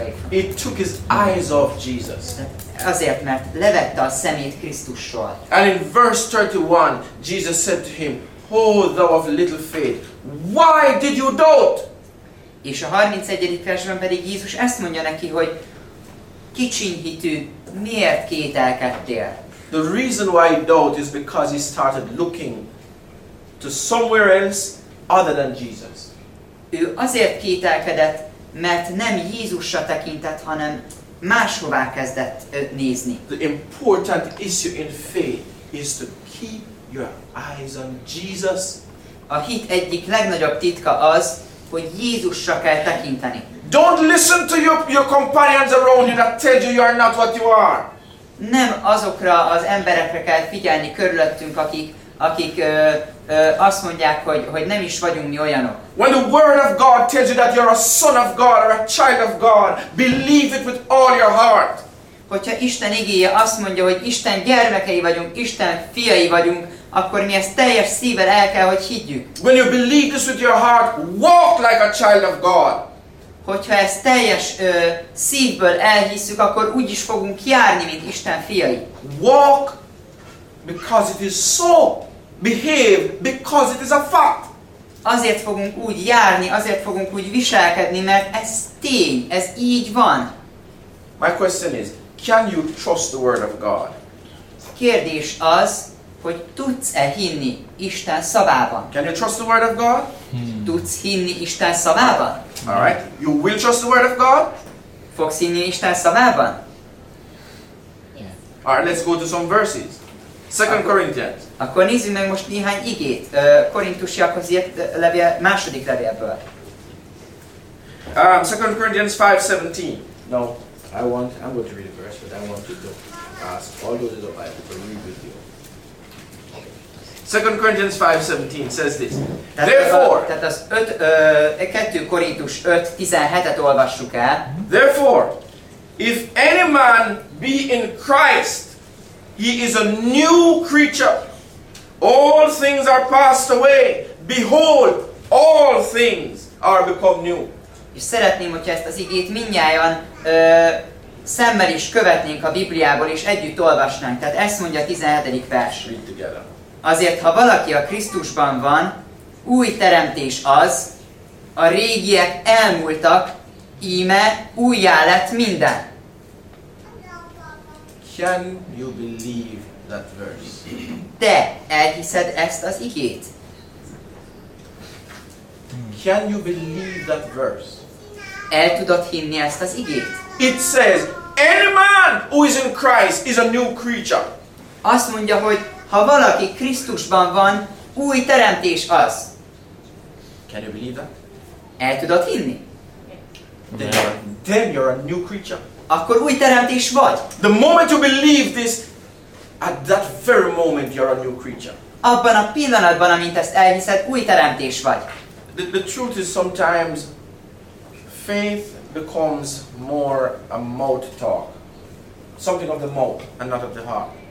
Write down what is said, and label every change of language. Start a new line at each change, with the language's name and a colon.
English: He took his eyes off Jesus.
Hungarian: Azért, mert levette a szemét Krisztusról.
English: And in verse 31, Jesus said to him, oh, thou of little faith, why did you doubt?
Hungarian: És a 31. versben pedig Jézus ezt mondja neki, hogy kicsiny hitű, miért kételkedtél?
English: The reason why he doubt is because he started looking to somewhere else other than Jesus.
Hungarian: Ő azért kételkedett, mert nem Jézusra tekintett, hanem máshová kezdett nézni.
English: The important issue in faith is to keep your eyes on Jesus.
Hungarian: A hit egyik legnagyobb titka az, hogy Jézusra kell tekinteni.
English: Don't listen to your companions around you that tell you are not what you are.
Hungarian: Nem azokra az emberekre kell figyelni körülöttünk, akik azt mondják, hogy nem is vagyunk mi olyanok.
English: When the word of God tells you that you're a son of God or a child of God, believe it with all your heart.
Hungarian: Hogyha Isten igéje azt mondja, hogy Isten gyermekei vagyunk, Isten fiai vagyunk, akkor mi ezt teljes szívvel el kell, hogy higgyük.
English: When you believe this with your heart, walk like a child of God.
Hungarian: Hogyha ezt teljes szívből elhisszük, akkor úgy is fogunk járni, mint Isten fiai.
English: Walk because it is so. Behave because it is a fact.
Hungarian: Azért fogunk úgy járni, azért fogunk úgy viselkedni, mert ez tény, ez így van.
English: My question is, can you trust the word of God?
Hungarian: Kérdés az, hogy tudsz-e hinni Isten szavában?
English: Can you trust the word of God?
Hungarian: Tudsz hinni Isten szavában?
English: All right. You will trust the word of God?
Hungarian: Fogsz hinni Isten szavában?
English: Yeah. All right, let's go to some verses. 2 Corinthians.
Hungarian: Akkor nézzük meg most néhány igét. Korintusiakhoz írt levél, második levélből.
English: 2 Corinthians 5:17. No, I'm going to read the verse, but I want to do, ask all those in the Bible to read with you. 2 Corinthians 5:17 says this. Therefore,
Hungarian: tehát az 2 Korintus 5:17-et olvassuk el.
English: Therefore, if any man be in Christ, he is a new creature. All things are passed away. Behold, all things are become new.
Hungarian: És szeretném, hogyha ezt az igét mindnyájan szemmel is követnénk a Bibliából, és együtt olvasnánk. Tehát ezt mondja a 17. vers.
English: Read together.
Hungarian: Azért, ha valaki a Krisztusban van, új teremtés az, a régiek elmúltak, íme újjá lett minden.
English: Can you believe that verse?
Hungarian: Te elhiszed ezt az igét?
English: Can you believe that verse?
Hungarian: El tudod hinni ezt az igét?
English: It says, any man who is in Christ is a new creature.
Hungarian: Azt mondja, hogy ha valaki Krisztusban van, új teremtés az.
English: Can you believe that?
Hungarian: El tudod hinni?
English: Then you're a new creature.
Hungarian: Akkor új teremtés vagy.
English: The moment you believe this, at that very moment you're a new creature.
Hungarian: Abban a pillanatban, amint ezt elhiszed, új teremtés vagy.
English: The truth is sometimes faith becomes more a mouth talk. Something of the mouth and not of the heart.